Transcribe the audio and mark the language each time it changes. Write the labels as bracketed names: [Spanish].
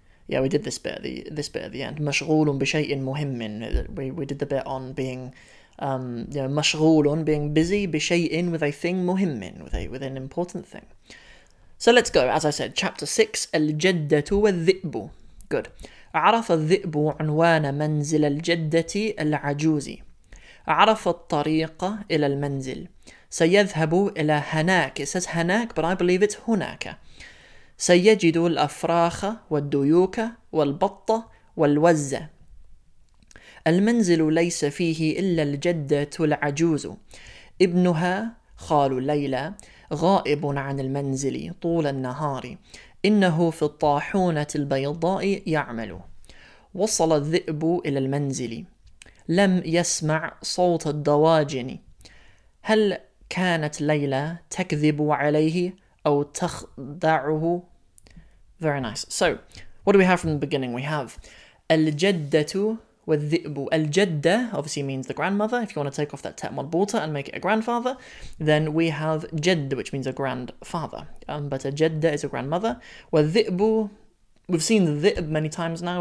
[English] We did this bit at the end. [Arabic] Mashghulun bi shay'in muhimmin. [English] We did the bit on being... mashghulun, being busy, bishay'in, with a thing, muhimmin, with an important thing. So let's go, as I said, chapter 6, [Arabic] al-jaddatu wa-dhi'bu. [English] Good. [Arabic] عرف الذئب عنوان منزل الجدة العجوز. عرف الطريق إلى المنزل. سيذهب إلى هناك. It says هناك, but I believe it's هناك. سيجد الأفراخ والديوك والبطة والوزة. المنزل ليس فيه إلا الجدة العجوز ابنها خال ليلى غائب عن المنزل طول النهار إنه في الطاحونة البيضاء يعمل وصل الذئب إلى المنزل لم يسمع صوت الدواجن هل كانت ليلى تكذب عليه أو تخدعه. [English] Very nice. So what do we have from the beginning? We have [Arabic] الجدة وَالذِّئْبُ. [English] Al-jadda obviously means the grandmother. If you want to take off that ta'mad bota and make it a grandfather, then we have jadda, which means a grandfather. But a jadda is a grandmother. وَالذِّئْبُ, we've seen the ذِئْب many times now.